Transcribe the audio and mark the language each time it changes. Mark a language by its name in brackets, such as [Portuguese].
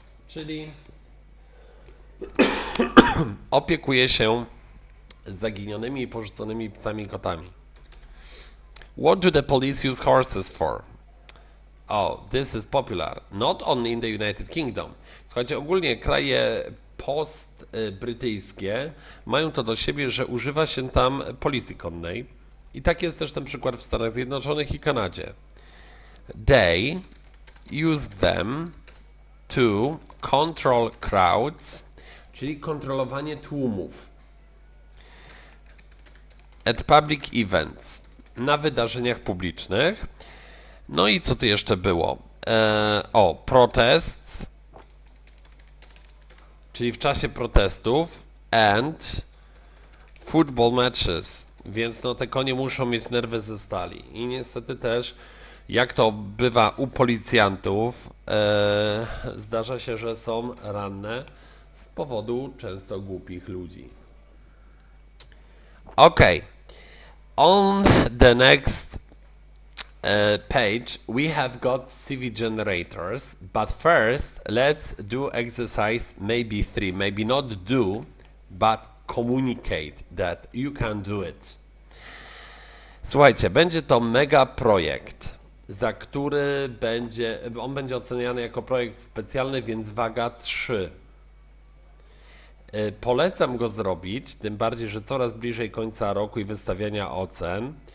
[Polish] Czyli opiekuje się zaginionymi i porzuconymi psami i kotami. [English] What do the police use horses for? Oh, this is popular. Not only in the United Kingdom. [Polish] Słuchajcie, ogólnie kraje post-brytyjskie mają to do siebie, że używa się tam policji konnej. I tak jest też ten przykład w Stanach Zjednoczonych i Kanadzie. [English] They use them to control crowds, [Polish] czyli kontrolowanie tłumów. [English] At public events, [Polish] na wydarzeniach publicznych. No i co tu jeszcze było? [English] Protests, [Polish] czyli w czasie protestów, [English] and football matches, [Polish] więc no te konie muszą mieć nerwy ze stali. I niestety też, jak to bywa u policjantów, zdarza się, że są ranne z powodu często głupich ludzi. Okej. [English] On the next page, we have got CV generators, but first let's do exercise maybe three, maybe not do, but communicate that you can do it. [Polish] Słuchajcie, będzie to mega projekt, za który będzie, on będzie oceniany jako projekt specjalny, więc waga 3. Polecam go zrobić, tym bardziej, że coraz bliżej końca roku i wystawiania ocen.